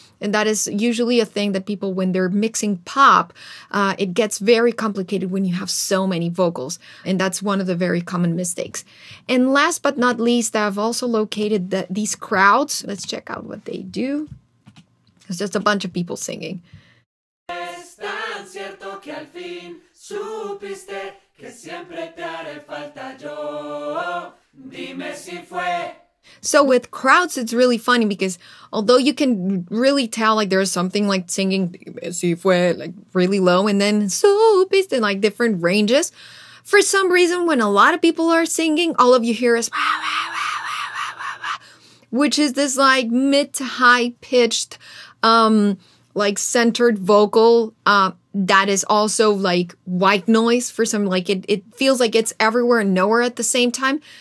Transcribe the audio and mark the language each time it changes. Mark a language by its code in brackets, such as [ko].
[en] And that is usually a thing that people, when they're mixing pop, it gets very complicated when you have so many vocals. And that's one of the very common mistakes. And last but not least, I've also located these crowds. Let's check out what they do. It's just a bunch of people singing. [es] Es tan cierto que al fin supiste que siempre te haré falta yo. Dime si fue. [en] So with crowds, it's really funny because although you can really tell, like, there's something like singing, [es] si fue, [en] like, really low, and then supiste, in, like, different ranges. For some reason, when a lot of people are singing, all of you hear is, wah, wah, wah, wah, wah, wah, wah, which is this, like, mid to high pitched, like, centered vocal that is also, like, white noise for some, like, it feels like it's everywhere and nowhere at the same time.